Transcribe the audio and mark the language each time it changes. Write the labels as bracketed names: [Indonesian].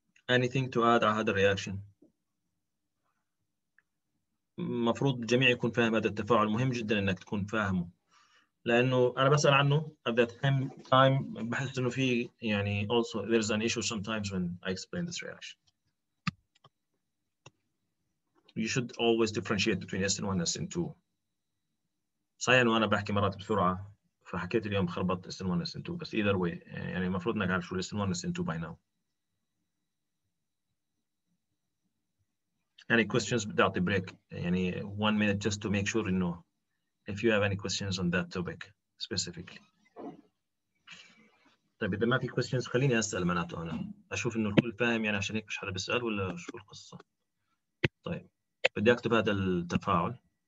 [English] Anything to add [Arabic] على هذا الرياكشن؟ مفروض الجميع يكون فاهم هذا التفاعل مهم جدا إنك تكون فاهمه لأنه أنا بسأل عنه [English] at that time [Arabic] بحس إنه في يعني [English] also there's an issue sometimes when I explain this reaction. You should always differentiate between SN1 and SN2. [Arabic] صحيح إنه أنا بحكي مرات بسرعة فحكيت اليوم خربط SN1 SN2 بس [English] either way [Arabic] يعني مفروض إنك عارف شو SN1 SN2 [English] by now. Any questions without the break? Any 1 minute just to make sure you know if you have any questions on that topic specifically. [Arabic] طيب إذا ما في questions خليني أسأل معناته أنا أشوف إنه الكل فاهم يعني عشان هيك مش حدا بيسأل ولا شو القصة؟ طيب بدي أكتب هذا التفاعل.